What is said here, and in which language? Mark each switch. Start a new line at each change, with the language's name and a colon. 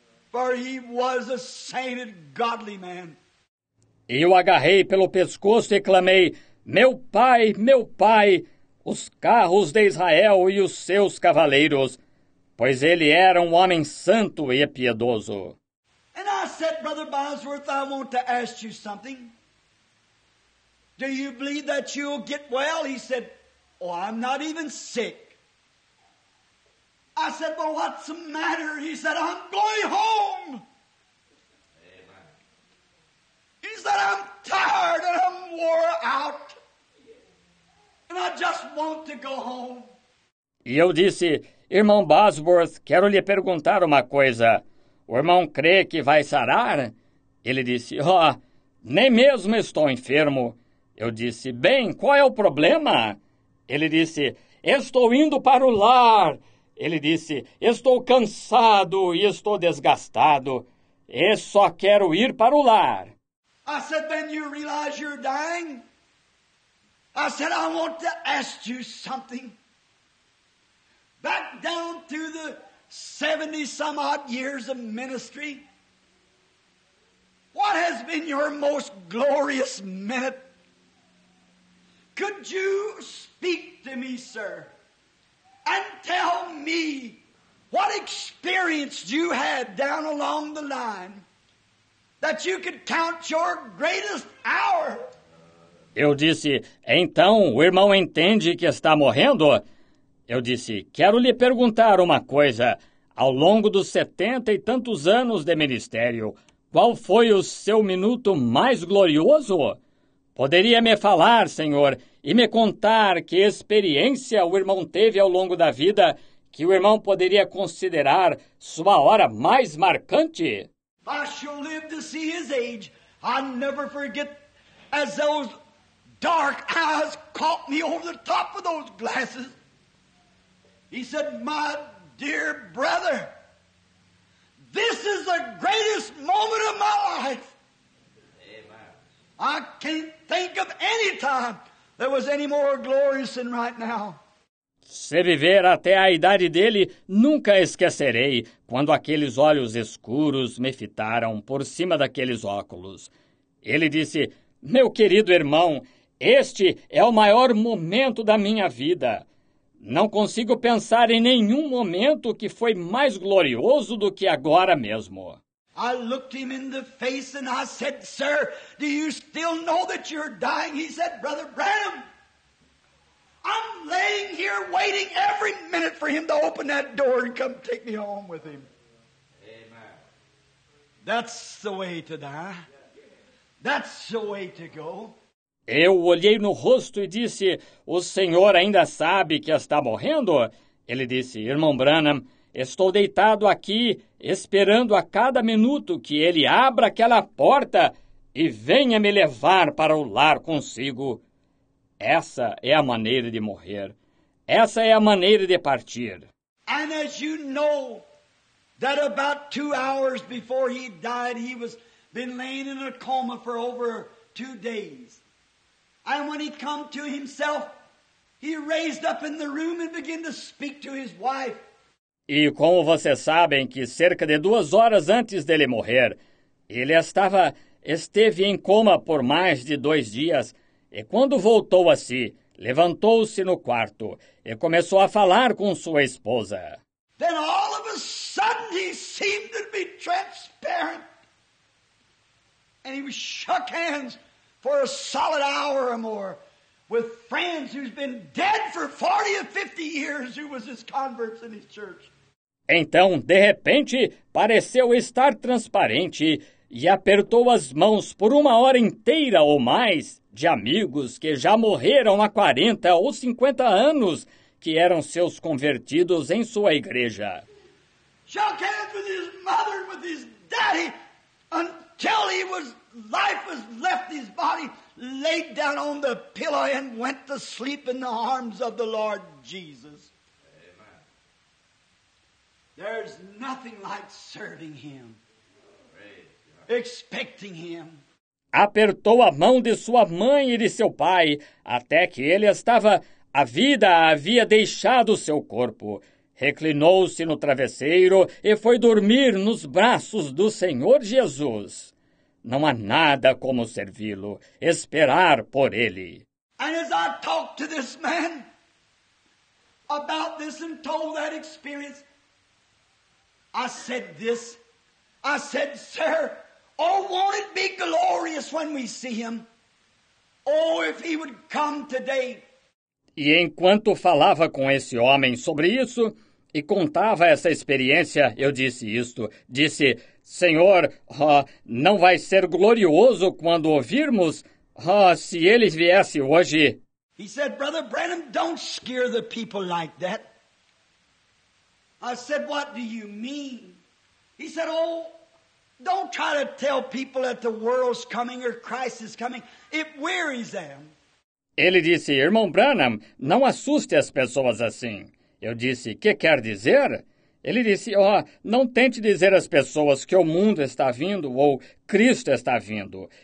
English: For he was a saint and godly man.
Portuguese: E o agarrei pelo pescoço e clamei, meu pai, os carros de Israel e os seus cavaleiros, pois ele era um homem santo e piedoso.
English: And I said, Brother Bosworth, I want to ask you something. Do you believe that you'll get well? He said, oh, I'm not even sick. I said, well, what's the matter? He said, I'm going home. Amen. He said, I'm tired and I'm wore out. And I just want to go home.
Portuguese: E eu disse, irmão Bosworth, quero lhe perguntar uma coisa. O irmão crê que vai sarar? Ele disse, oh, nem mesmo estou enfermo. Eu disse, bem, qual é o problema? Ele disse, estou indo para o lar. Ele disse, estou cansado e estou desgastado. E só quero ir para o lar.
English: I said, then you realize you're dying? I said, I want to ask you something. Back down to the 70 some odd years of ministry. What has been your most glorious minute? Could you speak to me, sir, and tell me what experience you had down along the line that you could count your greatest hour?
Portuguese: Eu disse, então o irmão entende que está morrendo? Eu disse, quero lhe perguntar uma coisa. Ao longo dos 70 e tantos anos de ministério, qual foi o seu minuto mais glorioso? Poderia me falar, senhor, e me contar que experiência o irmão teve ao longo da vida que o irmão poderia considerar sua hora mais marcante?
English: I shall live to see his age. I'll never forget as those dark eyes caught me over the top of those glasses. He said, my dear brother, this is the greatest moment of my life. I can't think of any time that was any more glorious than right now.
Portuguese: Se viver até a idade dele, nunca esquecerei quando aqueles olhos escuros me fitaram por cima daqueles óculos. Ele disse, meu querido irmão, este é o maior momento da minha vida. Não consigo pensar em nenhum momento que foi mais glorioso do que agora mesmo.
English: I looked him in the face and I said, sir, do you still know that you're dying? He said, brother Branham, I'm laying here waiting every minute for him to open that door and come take me home with him. Amen. That's the way to die. That's the way to go.
Portuguese: Eu olhei no rosto e disse, o senhor ainda sabe que está morrendo? Ele disse, irmão Branham, estou deitado aqui, esperando a cada minuto que ele abra aquela porta e venha me levar para o lar consigo. Essa é a maneira de morrer. Essa é a maneira de partir.
English: And as you know, that about 2 hours before he died, he was been laying in a coma for over 2 days. And when he come to himself, he raised up in the room and began to speak to his wife.
Portuguese: E como vocês sabem que cerca de 2 horas antes dele morrer, ele esteve em coma por mais de 2 dias, e quando voltou a si, levantou-se no quarto e começou a falar com sua esposa.
English: Then all of a sudden he seemed to be transparent. And he shook hands for a solid hour or more with friends who's been dead for 40 or 50 years who was his converts in his church.
Portuguese: Então, de repente, pareceu estar transparente e apertou as mãos por 1 hora inteira ou mais de amigos que já morreram há 40 ou 50 anos, que eram seus convertidos em sua igreja.
English: Shook hands with his mother and with his daddy until life was left his body, laid down on the pillow and went to sleep in the arms of the Lord Jesus. There's nothing like serving him, expecting him.
Portuguese: Apertou a mão de sua mãe e de seu pai, até que a vida havia deixado seu corpo. Reclinou-se no travesseiro e foi dormir nos braços do Senhor Jesus. Não há nada como servi-lo, esperar por ele.
English: And as I talked to this man about this and told that experience, I said this, I said, sir, oh, won't it be glorious when we see him? Oh, if he would come today.
Portuguese: E enquanto falava com esse homem sobre isso e contava essa experiência, eu disse isto. Disse, senhor, não vai ser glorioso quando ouvirmos? Se ele viesse hoje.
English: He said, brother Branham, don't scare the people like that. I said, what do you mean? He said, oh, don't try to tell people that the world's coming or Christ is coming. It wearies them.
Portuguese: Ele disse, irmão Branham, não assuste as pessoas assim. Eu disse, que quer dizer? Ele disse, ó, não tente dizer às pessoas que o mundo está vindo ou Cristo está vindo.